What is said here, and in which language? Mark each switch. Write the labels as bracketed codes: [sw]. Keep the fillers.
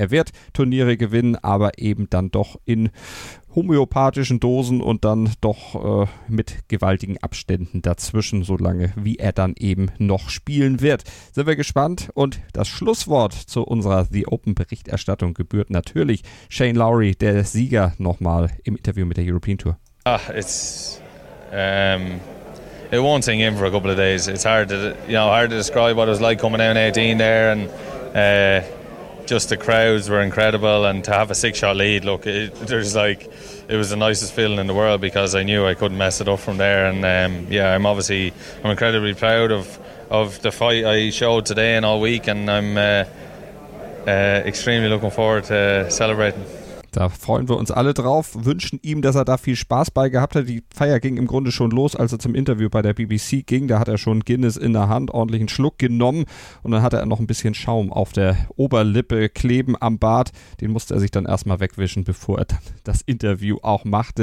[de] Er wird Turniere gewinnen, aber eben dann doch in homöopathischen Dosen und dann doch äh, mit gewaltigen Abständen dazwischen, solange wie er dann eben noch spielen wird. Sind wir gespannt und das Schlusswort zu unserer The Open Berichterstattung gebührt natürlich Shane Lowry, der Sieger, nochmal im Interview mit der European Tour. [en] Ah, it's um, it won't sink in for a couple of days. It's hard to you know hard to describe what it was like coming down 18 there, and uh, just the crowds were incredible, and to have a six-shot lead. Look, it, there's like it was the nicest feeling in the world because I knew I couldn't mess it up from there, and um, yeah, I'm obviously I'm incredibly proud of of the fight I showed today and all week, and I'm. Uh, uh, extremely looking forward to celebrating. [de] Da freuen wir uns alle drauf, wünschen ihm, dass er da viel Spaß bei gehabt hat. Die Feier ging im Grunde schon los, als er zum Interview bei der BBC ging. Da hat er schon Guinness in der Hand, ordentlichen Schluck genommen und dann hatte er noch ein bisschen Schaum auf der Oberlippe kleben am Bart. Den musste er sich dann erstmal wegwischen, bevor er dann das Interview auch machte.